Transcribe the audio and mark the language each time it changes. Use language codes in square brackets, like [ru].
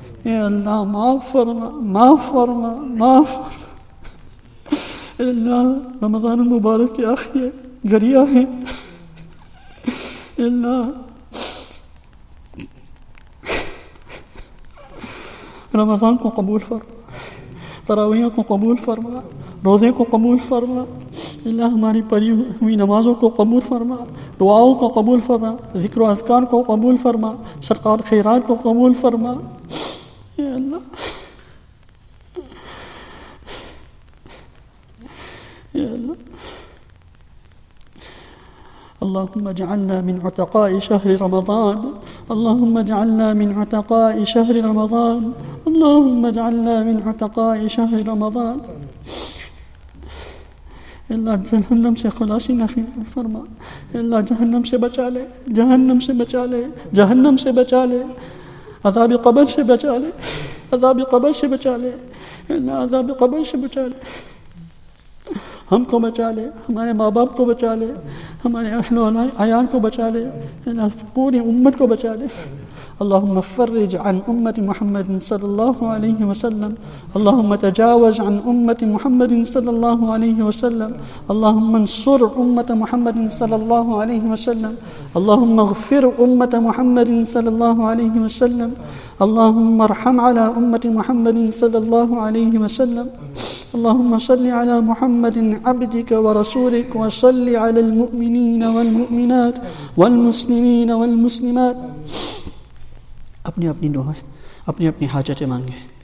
[ur] اے اللہ معاف فرما, معاف فرما, معاف فرما. اے اللہ رمضان المبارک کے آخری گریا ہے, اے اللہ رمضان کو قبول فرما, تراویح کو قبول فرما, روزے کو قبول فرما. اللہ ہماری پڑھی ہوئی نمازوں کو قبول فرما, دعاؤں کو قبول فرما, ذکر و اذکار کو قبول فرما, صدقات خیرات کو قبول فرما. اے اللہ, اے اللہ, [ar] اللهم اجعلنا من عتقاء شهر رمضان, اللهم اجعلنا من عتقاء شهر رمضان, اللهم اجعلنا من عتقاء شهر رمضان. [ur] الا جهنم سے خلاص نہ فرما, الا جهنم سے بچا لے, جهنم سے بچا لے, جهنم سے بچا لے, عذاب قبر سے بچا لے, عذاب قبر سے بچا لے, الا عذاب قبر سے بچا لے. ہم کو بچا لے, ہمارے ماں باپ کو بچا لے, ہمارے اہل و عیال کو بچا لے, پوری امت کو بچا لے. [ar] اللهم فرج عن امة محمد صلى الله عليه وسلم, اللهم تجاوز عن امة محمد صلى الله عليه وسلم, اللهم انصر امة محمد صلى الله عليه وسلم, اللهم اغفر امة محمد صلى الله عليه وسلم, اللهم ارحم على امة محمد صلى الله عليه وسلم. اللهم صل على محمد عبدك ورسولك, وصل على المؤمنين والمؤمنات والمسلمين والمسلمات. [ur] اپنی اپنی دعائیں, اپنی اپنی حاجتیں مانگیں.